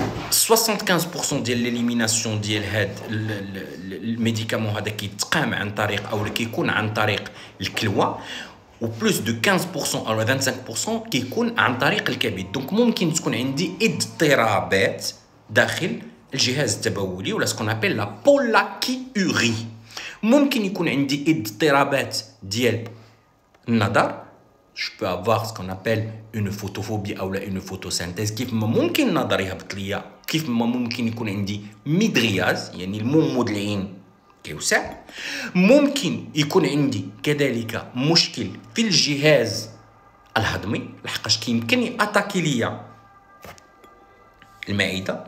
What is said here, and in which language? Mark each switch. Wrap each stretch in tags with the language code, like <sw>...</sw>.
<ar>75% ديال ليليمناسيون ديال هاد الميديكامون هذا كيتقام عن طريق او كيكون عن طريق الكلوه و بلوس دو 15% او 25% كيكون عن طريق الكبد. دونك ممكن تكون عندي اضطرابات داخل الجهاز التبولي ولا سكون ابل لا بولاكيوري. ممكن يكون عندي اضطرابات ديال النظر.</ar> <fr>Je peux avoir ce qu'on appelle une photophobie ou une photosynthèse.</fr> <ar>كيف ما ممكن نظري هبط ليا؟ كيف ما ممكن يكون عندي ميدرياز؟ يعني المومو ديال العين كيوسع. ممكن يكون عندي كذلك مشكل في الجهاز الهضمي لحقاش كيمكن ياتاكي ليا المعده.</ar>